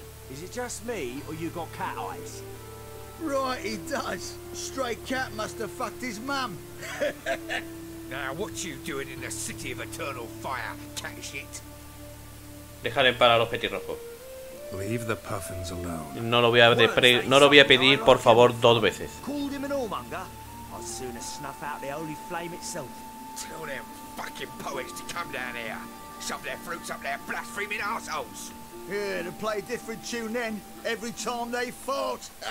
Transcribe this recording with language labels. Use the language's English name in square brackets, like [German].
[English] Is it just me or you got cat eyes? Right, he does. Stray cat must have fucked his mum. Now, what you doing in the city of eternal fire, cat shit? [Spanish] Dejar en paz a los petirrojos. [English] Leave the puffins alone. [Spanish] No lo voy a pedir, por favor, dos veces. [English] Called him an allmonger. I'd sooner snuff out the holy flame itself. Tell them fucking poets to come down here. Shove their fruits up their blaspheming assholes. Yeah, to play a different tune then, every time they fought.